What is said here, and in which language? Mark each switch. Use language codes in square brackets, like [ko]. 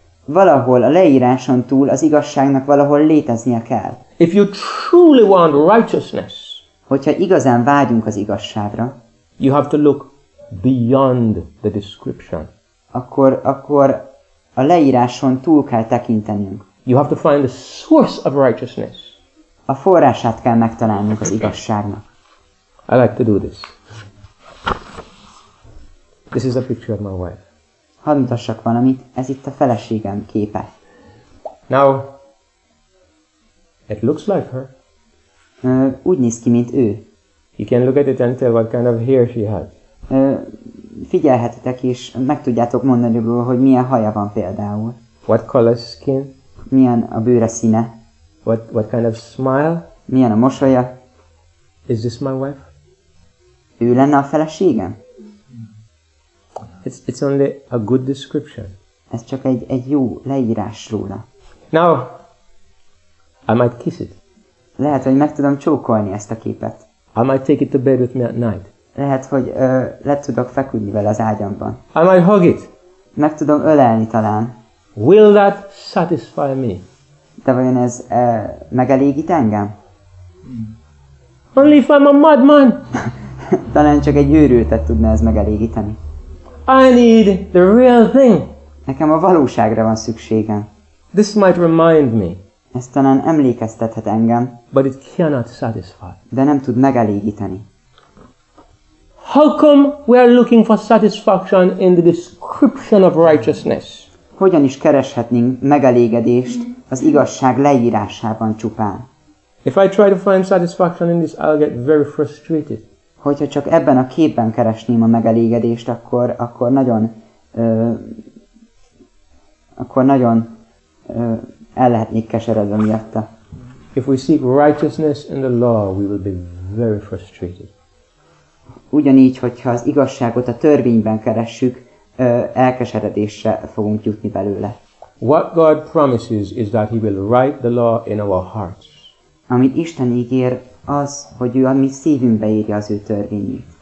[hu] Valahol a leíráson túl az igazságnak valahol léteznie kell. [en] If you truly want righteousness, [hu] hogyha igazán vágyunk az igazságra, [en] you have to look beyond the description. [hu] Akkor a leíráson túl kell tekintenünk. [en] You have to find the source of righteousness. [hu] A forrását kell megtalálnunk az igazságnak. [en] I like to do this. This is a picture of my wife. [hu] Hadd mutassak valamit, ez itt a feleségem képe. [en] Now, it looks like her. [hu] Úgy néz ki, mint ő. [en] You can look at it and tell what kind of hair she has. [hu] Figyelhetitek is, meg tudjátok mondani róla, hogy milyen haja van például. [en] What color skin? [hu] Milyen a bőre színe? [en] What kind of smile? [hu] Milyen a mosolya? [en] Is this my wife? [hu] Ő lenne a feleségem? [en] It's only a good description. [hu] Ez csak egy jó leírás róla. [en] Now, I might kiss it. [hu] Lehet, hogy meg tudom csókolni ezt a képet. [en] I might take it to bed with me at night. [hu] Lehet, hogy le tudok feküdni vele az ágyamban. [en] I might hug it. [hu] Meg tudom ölelni talán. [en] Will that satisfy me? [hu] De vajon ez megelégít engem? [en] Only if I'm a madman. [hu] Talán csak egy őrültet tudna ez megelégíteni. [en] I need the real thing. [hu] Nekem a valóságra van szükségem. [en] This might remind me. [hu] Ez talán emlékeztethet engem. [en] But it cannot satisfy. [hu] De nem tud megelégíteni. [en] How come we are looking for satisfaction in the description of righteousness? [hu] Hogyan is kereshetnénk megelégedést az igazság leírásában csupán? [en] If I try to find satisfaction in this, I'll get very frustrated. [hu] Hogyha csak ebben a képben keresném a megelégedést, akkor nagyon el lehetnék keseredve miatta. [en] If we seek righteousness in the law, we will be very frustrated. [hu] Ugyanígy, hogyha az igazságot a törvényben keressük, elkeseredésre fogunk jutni belőle. [en] What God promises is that he will write the law in our hearts. [hu] Amit Isten ígér, az, hogy ő a mi szívünkbe írja az ő törvényét.